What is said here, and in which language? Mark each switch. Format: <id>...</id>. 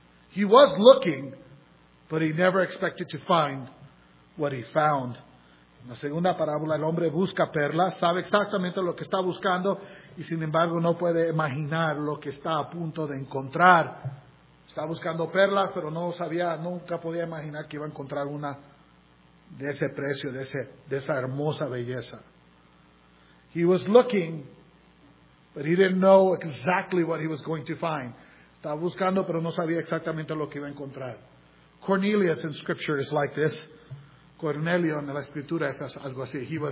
<en>He was looking, but he never expected to find what he found.</en> <es>En la segunda parábola, el hombre busca perlas, sabe exactamente lo que está buscando, y sin embargo no puede imaginar lo que está a punto de encontrar. Está buscando perlas, pero no sabía, nunca podía imaginar que iba a encontrar una de ese precio, de esa hermosa belleza.</es> <en>He was looking, but he didn't know exactly what he was going to find.</en> <es>Estaba buscando, pero no sabía exactamente lo que iba a encontrar.</es> <en>Cornelius in Scripture is like this.</en> <es>Cornelio en la Escritura es algo así.</es>